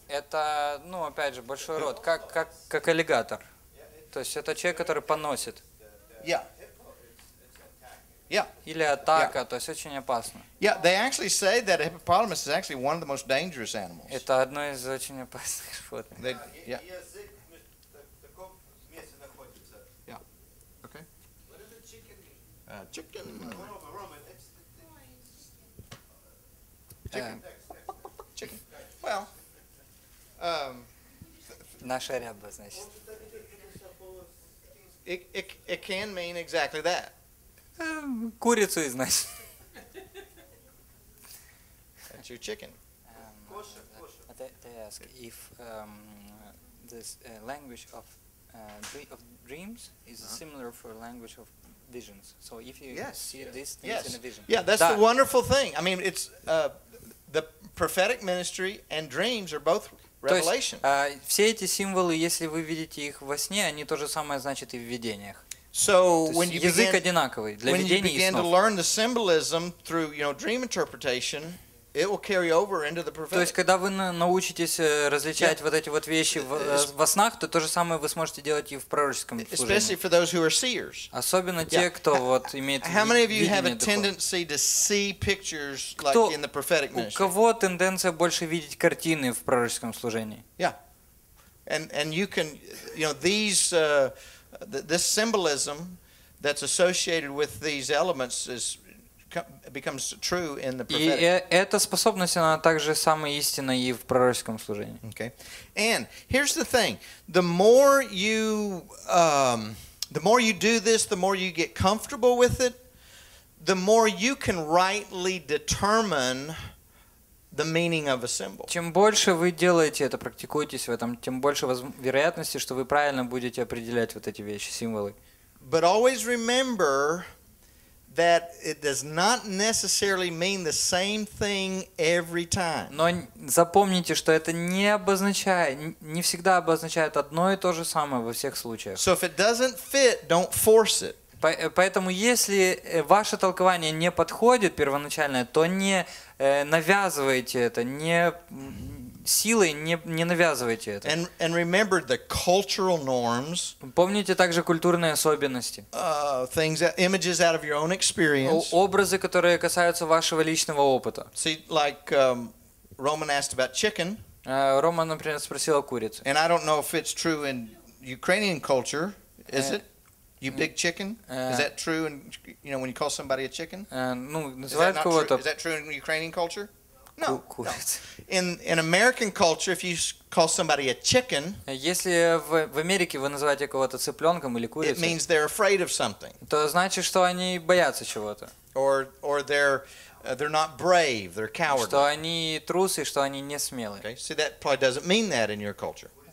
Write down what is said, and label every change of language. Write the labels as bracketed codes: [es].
[ru] Это, ну, опять же, большой рот, как аллигатор. То есть это человек, который поносит. [en] Yeah. [ru] Или атака, то есть очень опасно. [en] Yeah, they actually say that a hippopotamus is actually one of the most dangerous animals. [ru] Это одно из очень опасных животных. Язык в таком месте находится. [en] Yeah. Okay. What is a chicken? Chicken. Chicken. Well. [ru] Наша ряба, значит. [en] It can mean exactly that. [ru] Курицу из нас. [en] That's your chicken. They ask if this language of dreams is similar for language of visions. So if you see these things in a vision. Yeah, that's the wonderful thing. I mean, it's the prophetic ministry and dreams are both revelation. [ru] То есть все эти символы, если вы видите их во сне, они то же самое значат и в видениях. [en] So when you [ru] язык одинаковый для видений и снов. [en] When you begin to learn the symbolism through, you know, dream interpretation, it will carry over into the prophetic. [ru] То есть когда вы научитесь различать yeah. вот эти вот вещи во снах, то же самое вы сможете делать и в пророческом служении. [en] Especially for those who are seers. [ru] Особенно те, кто вот имеет видение. [en] How many of you have a tendency to see pictures like in the prophetic ministry? [ru] У кого тенденция больше видеть картины в пророческом служении? [en] Yeah. And you can, you know, these this symbolism that's associated with these elements is becomes true in the prophetic. [ru] И эта способность она также самая истинная и в пророческом служении. [en] Okay. And here's the thing: the more you do this, the more you get comfortable with it, the more you can rightly determine the meaning of a symbol. [ru] Чем больше вы делаете это, практикуетесь в этом, тем больше вероятности, что вы правильно будете определять вот эти вещи, символы. [en] But always remember that it does not necessarily mean the same thing every time. [ru] Но запомните, что это не обозначает, не всегда обозначает одно и то же самое во всех случаях. [en] So if it doesn't fit, don't force it. [ru] Поэтому если ваше толкование не подходит первоначальное, то не навязывайте это, не силой не навязывайте это. [en] And remember the cultural norms. [ru] Помните также культурные особенности. [en] Things, images out of your own experience. [ru] Образы, которые касаются вашего личного опыта. [en] See, like Roman asked about chicken. [ru] Роман, например, спросил о курице. [en] And I don't know if it's true in Ukrainian culture, is it? You big chicken? Is that true? And you know when you call somebody a chicken? Is that true in Ukrainian culture? No. In American culture, if you call somebody a chicken, [ru] если в Америке вы называете кого-то цыпленком или курицей, [en] it means they're afraid of something. [ru] То значит, что они боятся чего-то. [en] Or they're not brave. They're cowardly. [ru] Что они трусы, что они не смелые. [en] Okay. See, that probably doesn't mean that in your culture.